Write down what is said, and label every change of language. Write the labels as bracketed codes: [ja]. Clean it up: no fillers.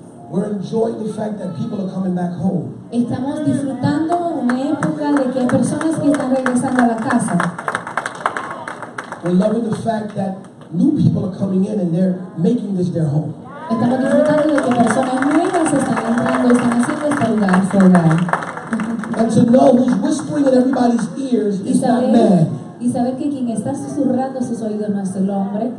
[en] We're enjoying the fact that people are coming back home. [es] Estamos disfrutando una época de que hay personas que están regresando a la casa. [en] We're loving the fact that new people are coming in and they're making this their home. [es] Estamos disfrutando de que personas nuevas están entrando y están haciendo este lugar su hogar. [en] And to know who's whispering in everybody's ears is not man. [es] Y saber que quien está susurrando sus oídos no es el hombre.